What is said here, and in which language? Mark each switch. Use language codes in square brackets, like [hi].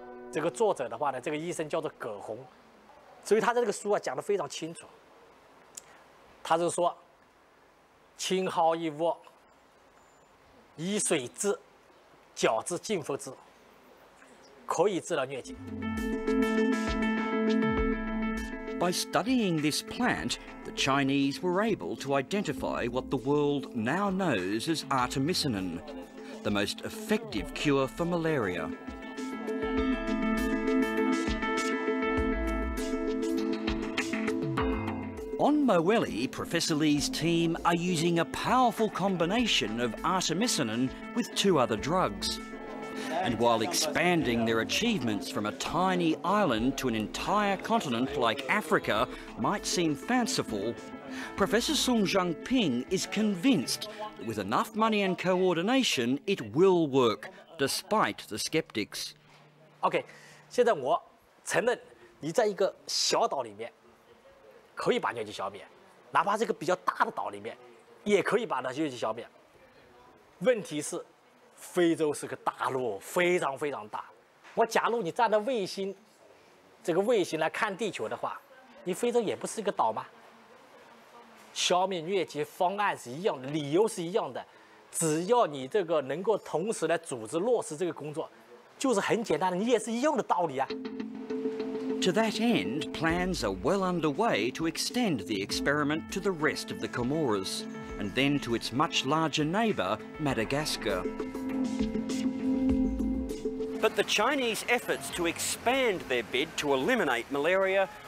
[zh] 这个作者的话呢，这个医生叫做葛洪，所以他在这个书啊讲得非常清楚。他是说，青蒿一窝，以水治，绞治浸服治，可以治疗疟疾。 [en] By studying this plant, the Chinese were able to identify what the world now knows as artemisinin, the most effective cure for malaria. On Moheli, Professor Li's team are using a powerful combination of artemisinin with two other drugs. And while expanding their achievements from a tiny island to an entire continent like Africa might seem fanciful, Professor Song JiangPing is convinced that with enough money and coordination, it will work, despite the skeptics. [zh] Okay, 现在我承认你在一个小岛里面可以把疟疾消灭，哪怕是个比较大的岛里面，也可以把那疟疾消灭。问题是，非洲是个大陆，非常非常大。我假如你站在卫星，这个卫星来看地球的话，你非洲也不是一个岛吗？消灭疟疾方案是一样的，理由是一样的，只要你这个能够同时来组织落实这个工作，就是很简单的，你也是一样的道理啊。 [en] To that end, plans are well underway to extend the experiment to the rest of the Comoros, and then to its much larger neighbor, Madagascar. But the Chinese efforts to expand their bid to eliminate malaria